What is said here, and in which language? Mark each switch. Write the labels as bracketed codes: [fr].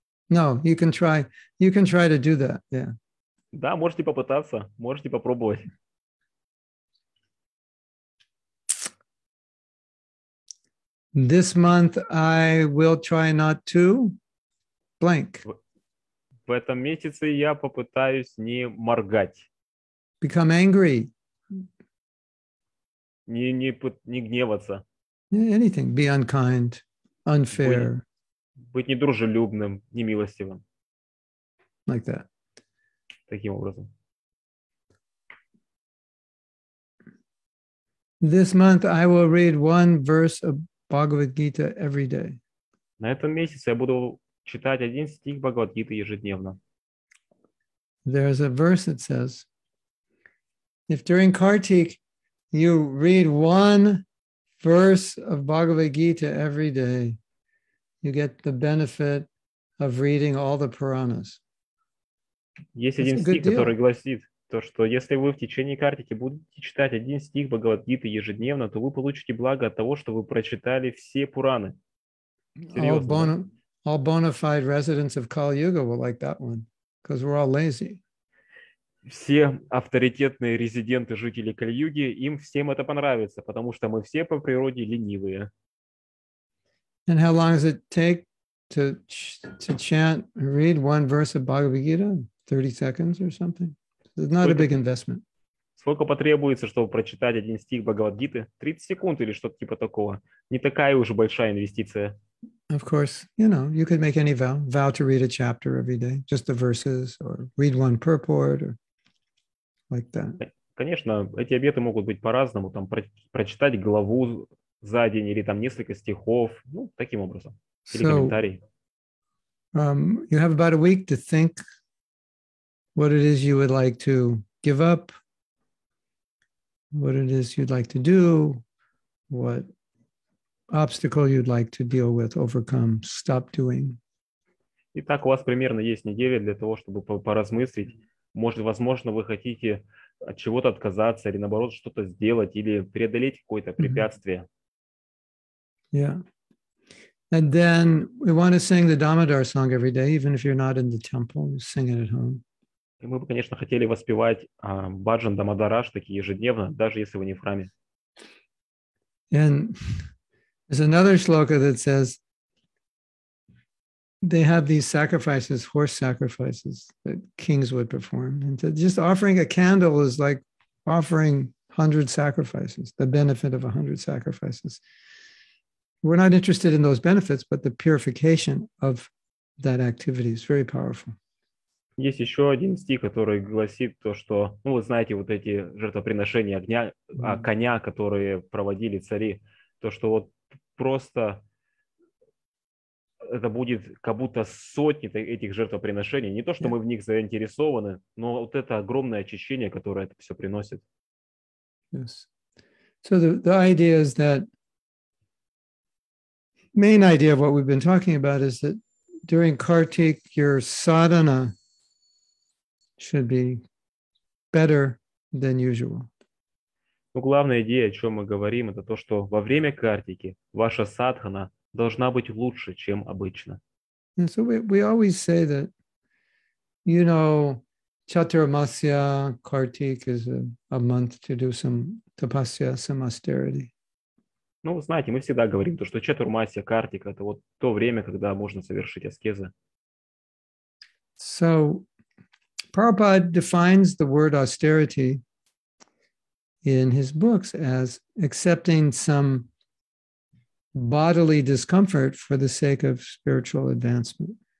[en] No, you can try to do that, yeah. [ru] Да, можете попытаться, можете попробовать. [en] This month I will try not to blank. [ru] В этом месяце я попытаюсь не моргать. [en] Become angry. [ru] Не гневаться. [en] Anything. Be unkind, unfair. [ru] Быть недружелюбным, немилостивым. [en] Like that. [ru] Таким образом. [en] This month I will read one verse of Bhagavad Gita every day. [ru] На этом месяце я буду читать один стих Бхагавад Гиты ежедневно. [en] There's a verse that says, if during Kartik you read one verse of Bhagavad Gita every day, you get the benefit of reading all the Puranas. [ru] Есть один стих, который гласит, то, что если вы в течение Картики будете читать один стих Бхагавад Гиты ежедневно, то вы получите благо от того, что вы прочитали все Пураны. Серьезно. [en] All bona fide residents of Kali Yuga will like that one, because we're all lazy. [ru] Все авторитетные резиденты, жители Кали-Юги, им всем это понравится, потому что мы все по природе ленивые. [en] And how long does it take to chant, read one verse of Bhagavad Gita? 30 seconds or something? It's not a big investment. [ru] Сколько потребуется, чтобы прочитать один стих Бхагавад Гиты? 30 секунд или что-то типа такого. Не такая уж большая инвестиция. [en] Of course, you know, you could make any vow to read a chapter every day, just the verses, or read one purport, or like that. [ru] Конечно, эти обеты могут быть по-разному, там прочитать главу за день или там несколько стихов, ну, таким образом, или комментарий. [en] You have about a week to think what it is you would like to give up, what it is you'd like to do, what obstacle you'd like to deal with, overcome, stop doing. [ru] Итак, у вас примерно есть неделя для того, чтобы поразмыслить. Может, возможно, вы хотите от чего-то отказаться или, наоборот, что-то сделать или преодолеть какое-то препятствие. Mm-hmm. Yeah. [en] And then we want to sing the Damodar song every day, even if you're not in the temple, you sing it at home. [ru] И мы бы, конечно, хотели воспевать баджан Дамодараш таки ежедневно, даже если вы не в храме. [en] And there's another shloka that says they have these sacrifices, horse sacrifices that kings would perform. And just offering a candle is like offering 100 sacrifices, the benefit of 100 sacrifices. We're not interested in those benefits, but the purification of that activity is very powerful. [ru] Есть еще один стих, который гласит то, что, ну, вы знаете, вот эти жертвоприношения огня, mm-hmm. коня, которые проводили цари, то, что вот просто это будет как будто сотни этих жертвоприношений. Не то, что мы в них заинтересованы, но вот это огромное очищение, которое это все приносит. [en] Yes. So the idea is that main idea of what we've been talking about is that during Kartik your sadhana should be better than usual. [ru] Но главная идея, о чем мы говорим, это то, что во время Картики ваша садхана должна быть лучше, чем обычно. [en] And so we always say that, you know, Chaturmasya Kartik is a month to do some tapasya, some austerity. [ru] Ну, знаете, мы всегда говорим то, что Чатурмасия Картика это вот то время, когда можно совершить аскезы. [en] So Prabhupada defines the word austerity in his books as accepting some bodily discomfort for the sake of spiritual advancement.